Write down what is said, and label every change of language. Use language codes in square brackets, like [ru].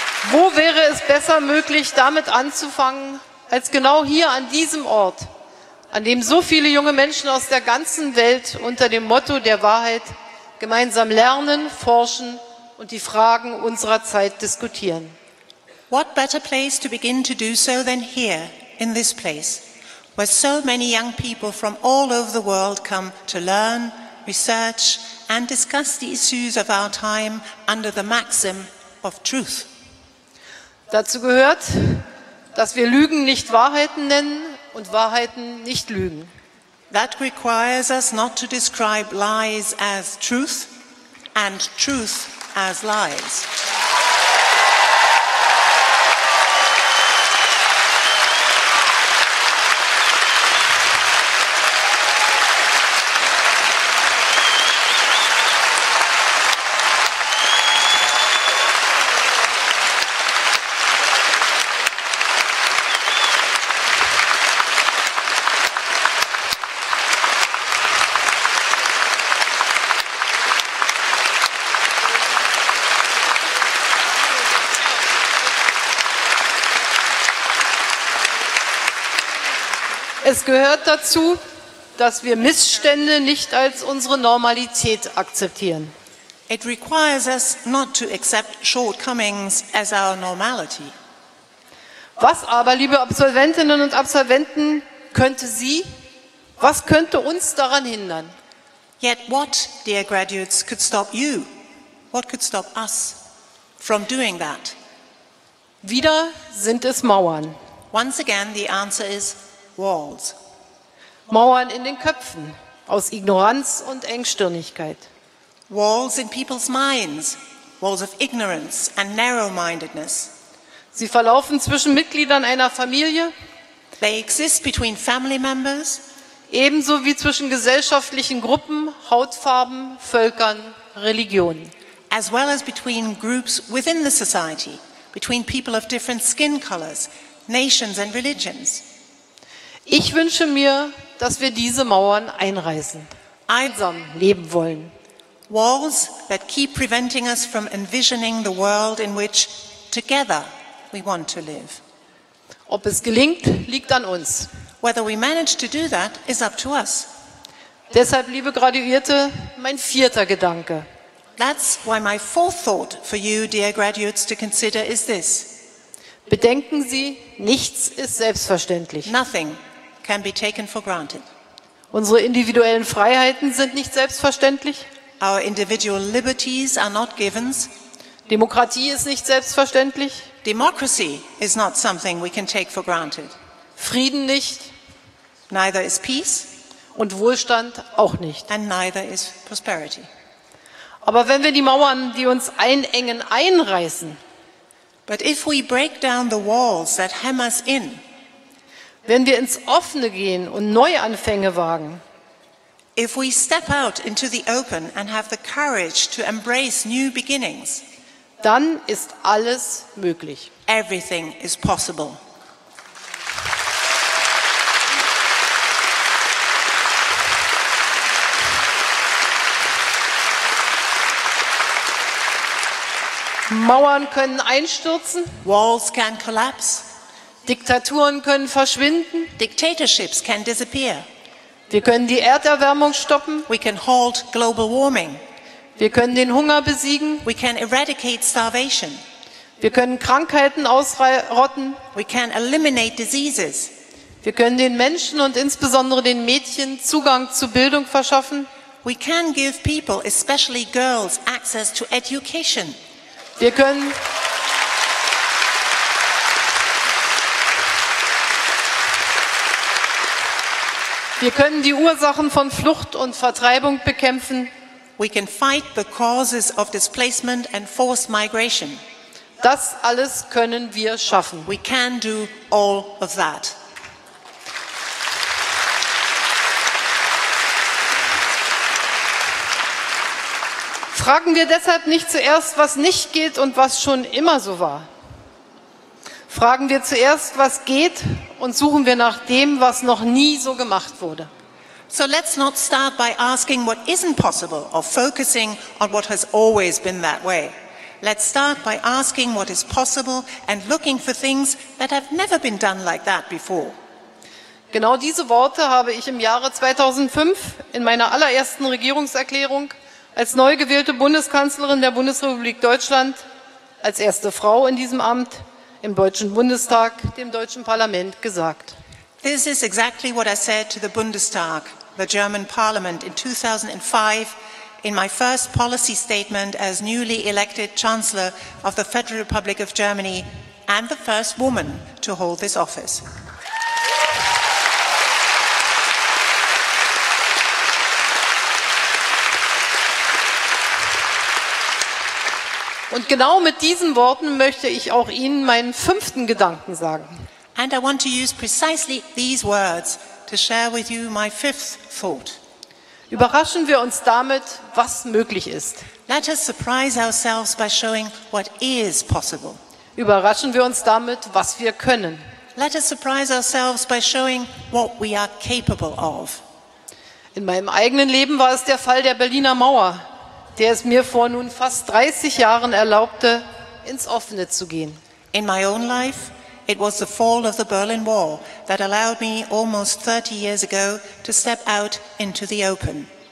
[de] Wo wäre es besser möglich, damit anzufangen, als genau hier an diesem Ort, an dem so viele junge Menschen aus der ganzen Welt unter dem Motto der Wahrheit gemeinsam lernen, forschen und die Fragen unserer Zeit diskutieren. [en] What better place to begin to do so than here, in this place, where so many young people from all over the world come to learn, research and discuss the issues of our time under the maxim of truth. [de] Dazu gehört, dass wir Lügen nicht Wahrheiten nennen und Wahrheiten nicht Lügen. [en] That requires us not to describe lies as truth and truth as lives. [de] Es gehört dazu, dass wir Missstände nicht als unsere Normalität akzeptieren. [en] It requires us not to accept shortcomings as our normality. [de] Was aber, liebe Absolventinnen und Absolventen, könnte Sie, was könnte uns daran hindern? [en] Yet what, dear graduates, could stop you? What could stop us from doing that? [de] Wieder sind es Mauern. [en] Once again, the answer is walls. [de] Mauern in den Köpfen aus Ignoranz und Engstirnigkeit. [en] Walls in people's minds, walls of ignorance and narrow-mindedness. [de] Sie verlaufen zwischen Mitgliedern einer Familie. [en] They exist between family members. [de] Ebenso wie zwischen gesellschaftlichen Gruppen, Hautfarben, Völkern, Religionen. [en] As well as between groups within the society, between people of different skin colors, nations and religions. [de] Ich wünsche mir, dass wir diese Mauern einreißen, einsam leben wollen. [en] Walls that keep preventing us from envisioning the world in which together we want to live. [de] Ob es gelingt, liegt an uns. [en] Whether we manage to do that is up to us. [de] Deshalb, liebe Graduierte, mein vierter Gedanke. [en] That's why my fourth thought for you, dear graduates, to consider is this. [de] Bedenken Sie, nichts ist selbstverständlich. [en] Nothing can be taken for granted. [de] Unsere individuellen Freiheiten sind nicht selbstverständlich. [en] Our individual liberties are not givens. [de] Demokratie ist nicht selbstverständlich. [en] Democracy is not something we can take for granted. [de] Frieden nicht. [en] Neither is peace. [de] Und Wohlstand auch nicht. [en] And neither is prosperity. [de] Aber wenn wir die Mauern, die uns einengen, einreißen, [en] but if we break down the walls that hem us in, [de] wenn wir ins Offene gehen und Neuanfänge wagen, [en] if we step out into the open and have the courage to embrace new beginnings, [de] dann ist alles möglich. [en] Everything is possible. [de] Mauern können einstürzen. [en] Walls can collapse. [de] Diktaturen können verschwinden. [en] Dictatorships can disappear. [de] Wir können die Erderwärmung stoppen. [en] We can halt global warming. [de] Wir können den Hunger besiegen. [en] We can eradicate starvation. [de] Wir können Krankheiten ausrotten. [en] We can eliminate diseases. [de] Wir können den Menschen und insbesondere den Mädchen Zugang zu Bildung verschaffen. [en] We can give people, especially girls, access to education. [de] Wir können die Ursachen von Flucht und Vertreibung bekämpfen. [en] We can fight the causes of displacement and forced migration. [de] Das alles können wir schaffen. [en] We can do all of that. [de] Fragen wir deshalb nicht zuerst, was nicht geht und was schon immer so war. Fragen wir zuerst, was geht und suchen wir nach dem, was noch nie so gemacht wurde. [en] So let's not start by asking what isn't possible or focusing on what has always been that way. Let's start by asking what is possible and looking for things that have never been done like that before. [de] Genau diese Worte habe ich im Jahre 2005 in meiner allerersten Regierungserklärung als neu gewählte Bundeskanzlerin der Bundesrepublik Deutschland, als erste Frau in diesem Amt, im Deutschen Bundestag, dem Deutschen Parlament gesagt. [en] This is exactly what I said to the Bundestag, the German Parliament, in 2005, in my first policy statement as newly elected Chancellor of the Federal Republic of Germany and the first woman to hold this office. [de] Und genau mit diesen Worten möchte ich auch Ihnen meinen fünften Gedanken sagen. [en] And I want to use precisely these words to share with you my fifth thought. [de] Überraschen wir uns damit, was möglich ist. [en] Let us surprise ourselves by showing what is possible. [de] Überraschen wir uns damit, was wir können. [en] Let us surprise ourselves by showing what we are capable of. [de] In meinem eigenen Leben war es der Fall der Berliner Mauer, der es mir vor nun fast 30 Jahren erlaubte, ins Offene zu gehen. [en] In my own life, it was the fall of the Berlin Wall that allowed me almost 30 years ago to step out into the open.